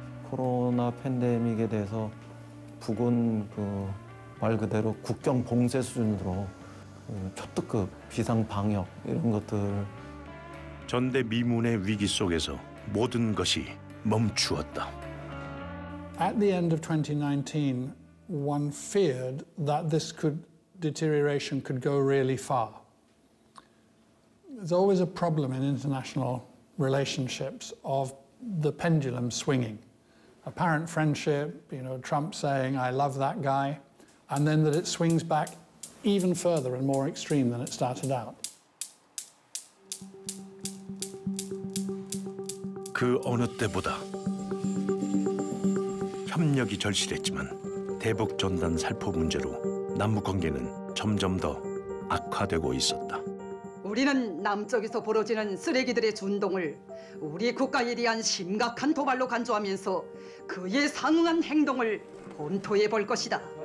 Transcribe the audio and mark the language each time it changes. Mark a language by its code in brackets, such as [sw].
[ko] 코로나 팬데믹에 대해서 북은 그 말 그대로 국경 봉쇄 수준으로 그 초특급 비상방역 이런 것들. 전대미문의 위기 속에서 모든 것이 멈추었다. [en] At the end of 2019, one feared that this could deterioration could go really far. There's always a problem in international relationships of the pendulum swinging. Apparent friendship, you know, Trump saying, I love that guy, and then that it swings back even further and more extreme than it started out. [ko] 그 어느 때보다 협력이 절실했지만 대북 전단 살포 문제로 남북관계는 점점 더 악화되고 있었다. 우리는 남쪽에서 벌어지는 쓰레기들의 준동을 우리 국가에 대한 심각한 도발로 간주하면서 그에 상응한 행동을 검토해 볼 것이다.